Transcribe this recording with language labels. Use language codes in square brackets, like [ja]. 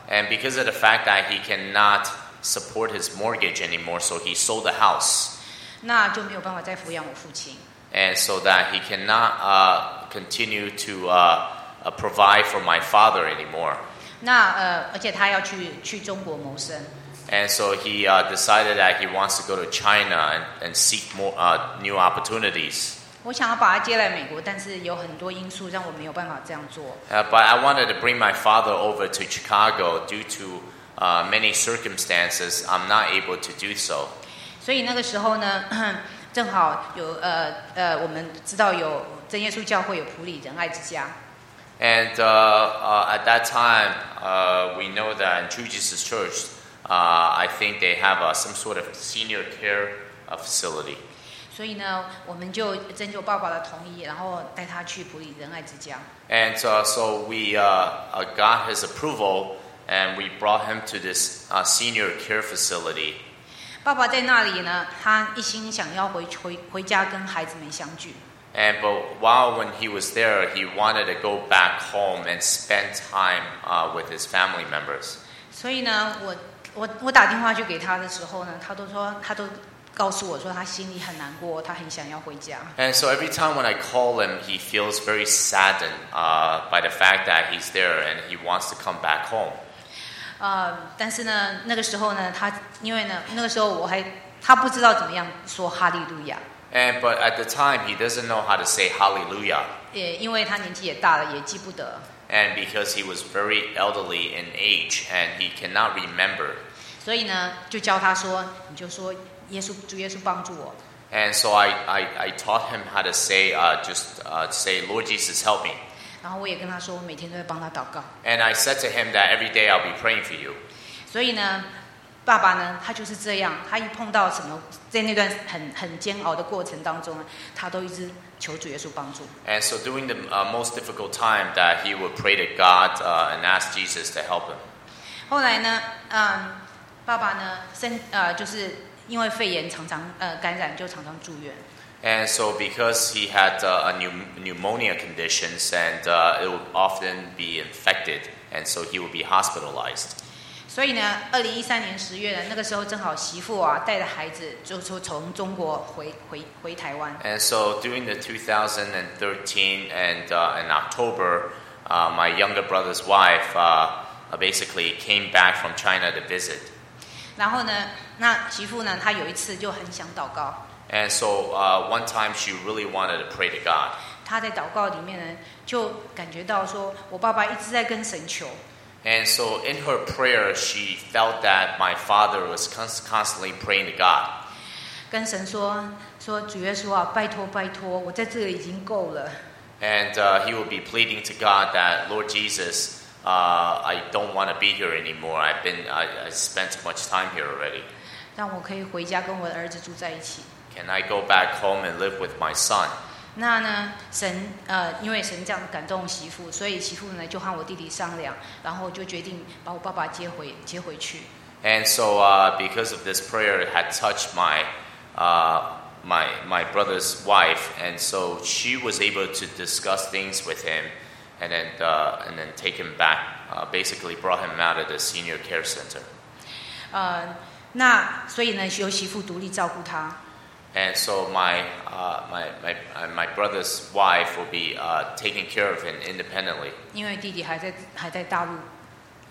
[en] And because of the fact that he cannot support his mortgage anymore, so he sold the house. [zh] 那就没有办法再抚养我父亲。 [en] And so that he cannot continue to provide for my father anymore. [zh] 那而且他要去中国谋生。 [en] And so he decided that he wants to go to China and seek more new opportunities. [zh] 我想要把他接来美国，但是有很多因素让我没有办法这样做。 [en] But I wanted to bring my father over to Chicago due to many circumstances. I'm not able to do so. [zh] 所以那个时候呢，正好有我们知道有真耶稣教会有普里仁爱之家。 [en] And at that time, we know that in True Jesus Church, I think they have some sort of senior care facility. [zh] 所以呢，我们就征求爸爸的同意，然后带他去普里仁爱之家。 [en] And so we got his approval, and we brought him to this senior care facility. [zh] 爸爸在那里呢，他一心想要回家跟孩子们相聚。 [en] And but while when he was there, he wanted to go back home and spend time with his family members. [zh] 所以呢，我打电话去给他的时候呢，他都告诉我说他心里很难过，他很想要回家。 [en] And so every time when I call him, he feels very saddened by the fact that he's there and he wants to come back home. [zh] 但是呢，那个时候呢，他因为呢，那个时候他不知道怎么样说哈利路亚。 [en] And but at the time he doesn't know how to say hallelujah. [zh] 也因为他年纪也大了，也记不得。 [en] And because he was very elderly in age, and he cannot remember. [zh] 所以呢，就教他说，你就说耶稣，主耶稣帮助我。 [en] And so I taught him how to say, say, Lord Jesus, help me. [zh] 然后我也跟他说，我每天都会帮他祷告。 [en] And I said to him that every day I'll be praying for you. [zh] 所以呢，爸爸呢，他就是这样，他一碰到什么，在那段很煎熬的过程当中，他都一直求主耶稣帮助。 [en] And so during the most difficult time that he would pray to God and ask Jesus to help him. [zh] 后来呢，爸爸呢，就是因为肺炎常常感染，就常常住院。 [en] And so because he had a pneumonia conditions and it would often be infected, and so he would be hospitalized. [zh] 所以呢，2013年十月呢，那个时候正好媳妇啊带着孩子就从中国回台湾。 [en] And so during the 2013 and in October, my younger brother's wife basically came back from China to visit. [zh] 然后呢，那媳妇呢，她有一次就很想祷告。 [en] And so one time she really wanted to pray to God. [zh] 她在祷告里面呢，就感觉到说，我爸爸一直在跟神求。 [en] And so in her prayer, she felt that my father was constantly praying to God. [zh] 跟神说，说主耶稣啊，拜托拜托，我在这里已经够了。 [en] And he would be pleading to God that, Lord Jesus, I don't want to be here anymore. I spent too much time here already. [zh] 让我可以回家跟我的儿子住在一起。 [en] Can I go back home and live with my son? [zh] 那呢，神因为神这样感动媳妇，所以媳妇呢就和我弟弟商量，然后就决定把我爸爸接回去。 [en] And so, because of this prayer, it had touched my brother's wife, and so she was able to discuss things with him, and then take him back, basically brought him out of the senior care center. [zh] 那所以呢，由媳妇独立照顾他。 [en] And so my brother's wife will be taking care of him independently. [zh] 因为弟弟还在大陆工作。